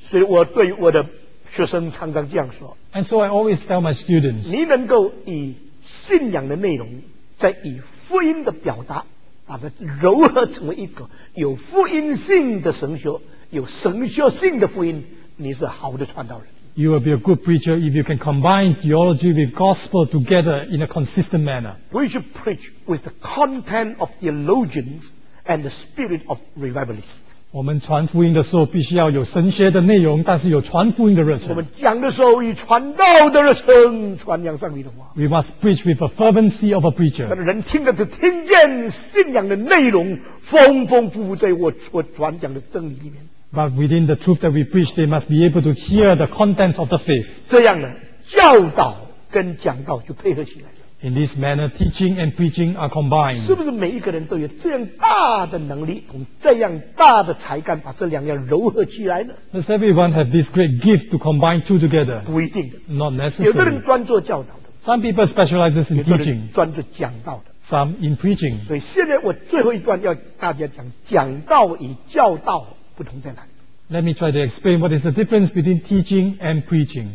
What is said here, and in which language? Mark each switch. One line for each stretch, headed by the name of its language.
Chinese: 所以我对我的学生常常这样说。
English: And so I always tell my students,
Chinese: 你能够以信仰的内容。在以福音的表达把它柔合成为一个有福音性的神学有神学性的福音你是好的传道人
English: You will be a good preacher if you can combine theology with gospel together in a consistent manner We should preach with the content of theologians and the spirit of revivalists
Chinese: 我们传福音的时候必须要有神学的内容但是有传福音的热忱我们讲的时候以传道的热忱传扬上帝的话
English: We must preach with the fervency of a preacher
Chinese: 人听的就听见信仰的内容丰丰富富在我所传讲的真理里面
English: But within the truth that we preach they must be able to hear the contents of the faith
Chinese: 这样呢教导跟讲道就配合起来了
English: In this manner teaching and preaching are combined
Chinese: 是不是每一个人都有这样大的能力从这样大的才干把这两样柔合起来呢
English: Does everyone have this great gift to combine two together
Chinese: 不一定
English: Not necessary
Chinese: 有的人专做教导的
English: Some people specialize in teaching
Chinese: 专做讲道的
English: Some in preaching
Chinese: 所以现在我最后一段要大家讲讲道与教导不同在哪里
English: Let me try to explain what is the difference between teaching and preaching